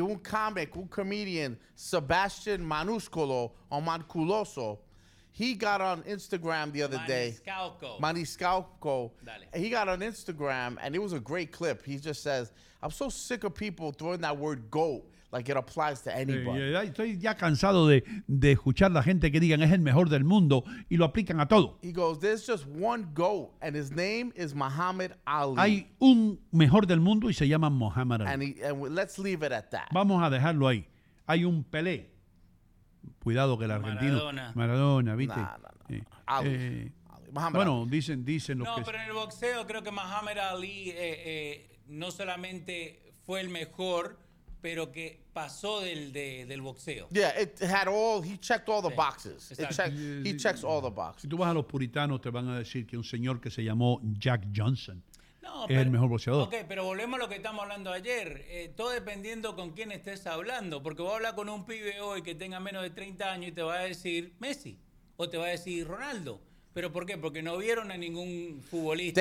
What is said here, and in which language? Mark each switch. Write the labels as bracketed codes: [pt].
[es] Y un comedian, Sebastian Manuscolo o Manculoso, [en] He got on Instagram the other Maniscalco. Day. Maniscalco. [es] Dale. [en] He got on Instagram, and it was a great clip. He just says, I'm so sick of people throwing that word GOAT like it applies to anybody. [es] Estoy ya cansado de escuchar la gente que digan es el mejor del mundo y lo aplican a todo. [en] He goes, there's just one GOAT, and his name is Muhammad Ali. [es] Hay un mejor del mundo y se llama Muhammad Ali. [en] And let's leave it at that. [es] Vamos a dejarlo ahí. Hay un Pelé. Cuidado que el argentino. Maradona, ¿viste? No. Bueno, dicen los no, que... No, pero en el boxeo creo que Muhammad Ali no solamente fue el mejor, pero que pasó del boxeo. [en] Yeah, it had all, he checked all the boxes. He checks all the boxes. [es] Si tú vas a los puritanos, te van a decir que un señor que se llamó Jack Johnson es el mejor boxeador. Ok, pero volvemos a lo que estamos hablando ayer. Todo dependiendo con quién estés hablando. Porque voy a hablar con un pibe hoy que tenga menos de 30 años y te va a decir Messi. O te va a decir Ronaldo. ¿Pero por qué? Porque no vieron a ningún futbolista.